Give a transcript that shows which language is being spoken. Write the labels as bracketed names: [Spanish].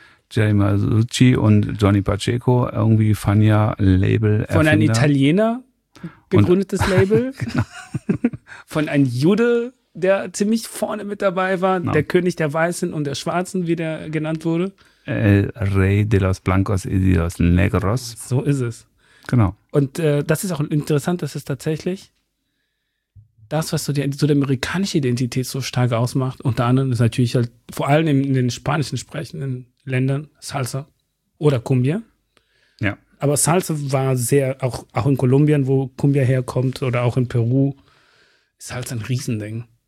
[German] Jerry Masucci und Johnny Pacheco, irgendwie Fania Label Erfinder. Von einem Italiener gegründetes und, Label. Genau. Von einem Jude, der ziemlich vorne mit dabei war, no. Der König der Weißen und der Schwarzen, wie der genannt wurde. [Spanish] El Rey de los Blancos y de los Negros. [German] So ist es. Genau. Und das ist auch interessant, das ist tatsächlich das, was so die amerikanische Identität so stark ausmacht. Unter anderem ist natürlich halt vor allem in den spanischen sprechenden Ländern Salsa oder Cumbia. Ja. Aber Salsa war sehr, auch in Kolumbien, wo Cumbia herkommt, oder auch in Peru, ist halt ein Riesending.